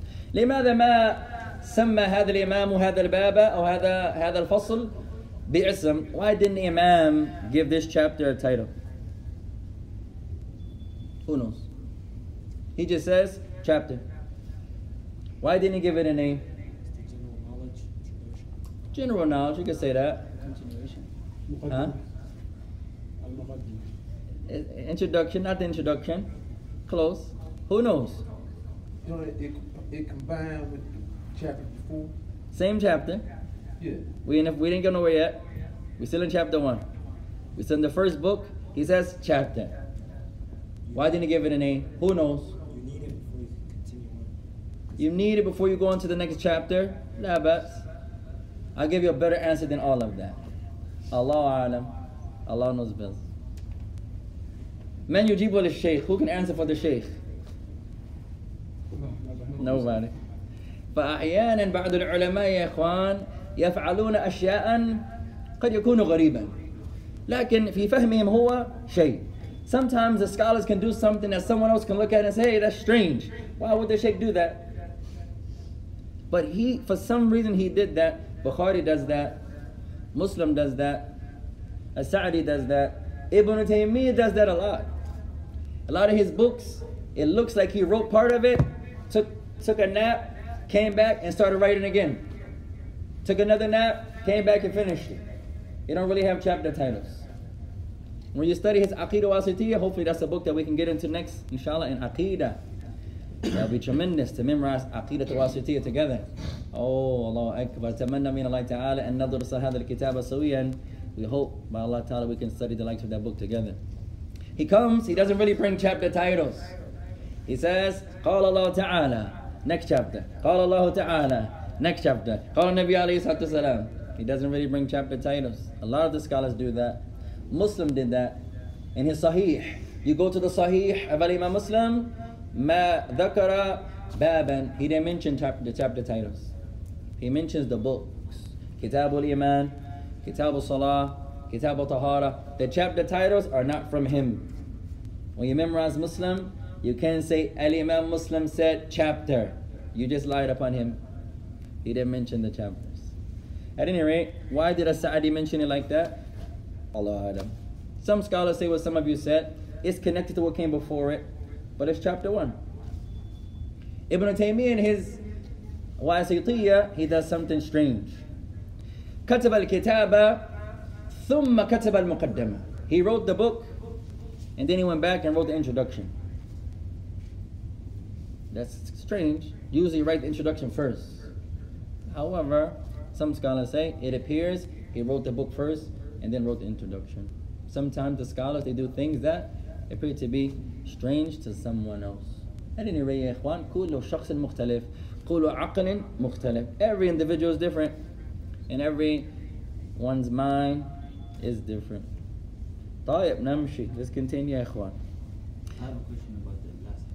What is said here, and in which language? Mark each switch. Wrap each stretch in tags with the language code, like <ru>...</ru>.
<ar>لماذا ما سمى هذا الإمام هذا الباب أو هذا الفصل باسم.</ar> <en>Why didn't the Imam give this chapter a title? Who knows? He just says chapter. Why didn't he give it a name? General knowledge. You can say that. Huh? Introduction, not the introduction. Close. Who knows? You know, it combined with chapter 4. Same chapter. Yeah. We didn't go nowhere yet. We're still in chapter 1. We're still in the first book. He says chapter. Why didn't he give it a name? Who knows? You need it before you continue. You need it before you go on to the next chapter. Labats. I'll give you a better answer than all of that. Allah alam. Allah knows best.</en> <ar>Man Yujibu al-Shaykh.</ar> <en>Who can answer for the Shaykh? Nobody.</en> <ar>فأحيانا بعض العلماء يا إخوان يفعلون أشياء قد يكون غريبا لكن في فهمهم هو شيء.</ar> <en>Sometimes the scholars can do something that someone else can look at and say, hey, that's strange. Why would the Shaykh do that? But he, for some reason, he did that. Bukhari does that. Muslim does that. As-Sa'di does that. Ibn Taymiyyah does that a lot. A lot of his books, it looks like he wrote part of it, took a nap, came back and started writing again. Took another nap, came back and finished it. You don't really have chapter titles. When you study his Aqidah Wasitiyah, hopefully that's a book that we can get into next, inshallah, in Aqidah. That'll be tremendous to memorize Aqidah Wasitiyah together. Oh, Allahu Akbar.</en> <ar>Tamanna min Allah Ta'ala an nadhur sahada al-kitab sawiyan.</ar> <en>We hope by Allah Ta'ala we can study the likes of that book together. He comes, he doesn't really bring chapter titles. He says,</en> <ar>قال الله تعالى,</ar> <en>next chapter.</en> <ar>قال الله تعالى,</ar> <en>next chapter.</en> <ar>قال النبي عليه الصلاة والسلام.</ar> <en>He doesn't really bring chapter titles. A lot of the scholars do that. Muslim did that. In his Sahih, you go to the Sahih of Imam Muslim,</en> <ar>ما ذكر بابا.</ar> <en>He didn't mention the chapter titles. He mentions the books.</en> <ar>كتاب الإيمان, كتاب الصلاة, كتاب الطهارة.</ar> <en>The chapter titles are not from him. When you memorize Muslim, you can't say Al-Imam Muslim said chapter. You just lied upon him. He didn't mention the chapters. At any rate, why did As-Sa'di mention it like that? Allah Adam. Some scholars say what some of you said. It's connected to what came before it, but it's chapter 1. Ibn Taymiyyah in his Wasitiyah, he does something strange.</en> <ar>كتب الكتابة ثم كتب المقدمة.</ar> <en>He wrote the book, and then he went back and wrote the introduction. That's strange. Usually write the introduction first. However, some scholars say it appears he wrote the book first and then wrote the introduction. Sometimes the scholars, they do things that appear to be strange to someone else. At any rate,</en> <ar>إخوان, كل شخص مختلف. كل عقل مختلف.</ar> <en>Every individual is different and every one's mind is different.</en> <ar>طيب نمشي.</ar> <en>Let's continue, إخوان. I have a question about the last</en>